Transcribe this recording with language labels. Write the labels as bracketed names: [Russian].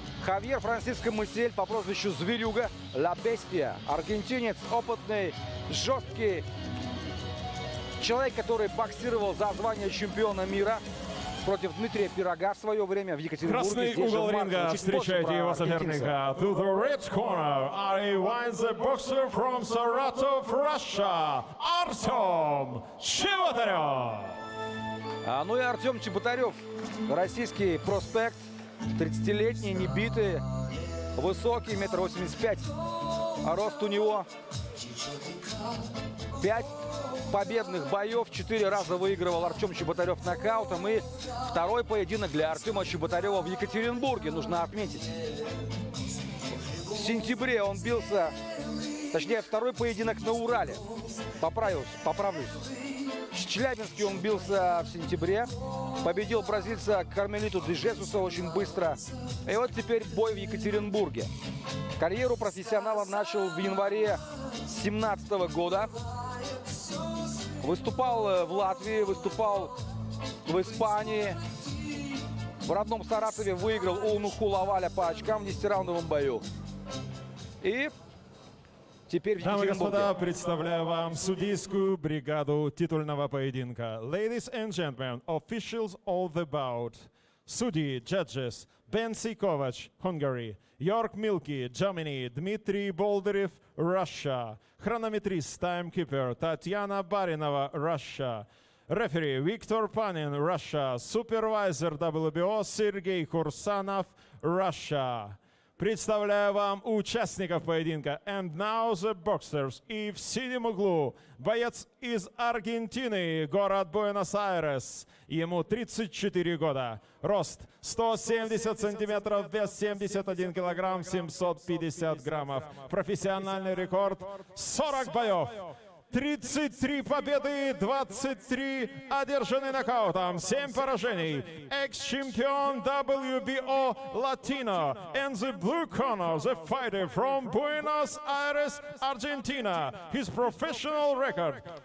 [Russian] Хавьер Франциско Масиэль по прозвищу Зверюга, Ла Бестия. Аргентинец, опытный, жесткий человек, который боксировал за звание чемпиона мира. Против Дмитрия Пирога в свое время в Екатеринбурге. Красный угол ринга, встречайте его соперника. [English] To the red corner, I want the boxer from Saratov, Russia, Артем Чеботарев. [Russian] А, ну и Артем Чеботарев, российский проспект, 30-летний, небитый, высокий, 1,85 м. А рост у него 5 победных боев, 4 раза выигрывал Артем Чеботарев нокаутом. И второй поединок для Артема Чеботарева в Екатеринбурге, нужно отметить. В сентябре он бился, точнее, второй поединок на Урале. Поправлюсь. В Челябинске он бился в сентябре. Победил бразильца Кармелиту Ди Жезуса очень быстро. И вот теперь бой в Екатеринбурге. Карьеру профессионала начал в январе 2017 года. Выступал в Латвии, выступал в Испании. В родном Саратове выиграл у Нухулаваля по очкам в 10-раундовом бою. И теперь в Екатеринбурге. Дамы и господа, представляю вам судейскую бригаду титульного поединка. [English] Ladies and gentlemen, officials of the bout. [Russian] Судьи, judges, Бенси Ковач, Hungary, Йорк Милки, Germany, Дмитрий Болдырев, Russia, хронометрист, таймкипер, Татьяна Баринова, Russia, рефери, Виктор Панин, Russia, супервайзер WBO, Сергей Курсанов, Russia. Представляю вам участников поединка. [English] And now the boxers. [Russian] И в синем углу боец из Аргентины, город Буэнос-Айрес. Ему 34 года. Рост 170 сантиметров, вес 71 килограмм, 750 граммов. Профессиональный рекорд 40 боев. 33 победы, 23 одержаны нокаутом, 7 поражений. Экс-чемпион WBO Latino. [English] In the blue corner, the fighter from Buenos Aires, Argentina. His professional record.